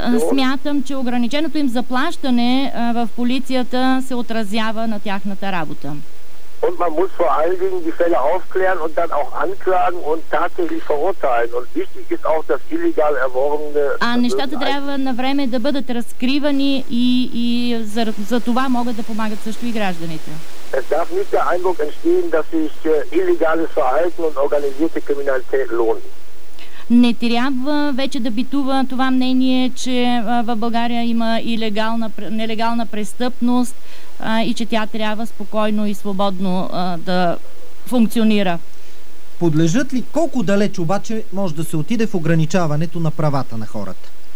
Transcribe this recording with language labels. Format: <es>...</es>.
<bg>Смятам, че ограниченото им заплащане в полицията се отразява на тяхната работа.</bg> <de>Und man muss vor allen Dingen die Fälle aufklären und dann auch anklagen und tatsächlich verurteilen. Und wichtig ist auch, dass illegal erworbene</de> <bg>нещата трябва на време да бъдат разкривани и за това могат да помагат също и гражданите.</bg> <de>Es darf nicht der Eindruck entstehen, dass sich illegales Verhalten und organisierte Kriminalität lohnen.</de> <bg>не трябва вече да битува това мнение, че в България има и нелегална престъпност и че тя трябва спокойно и свободно да функционира. Подлежат ли, колко далеч обаче може да се отиде в ограничаването на правата на хората?</bg>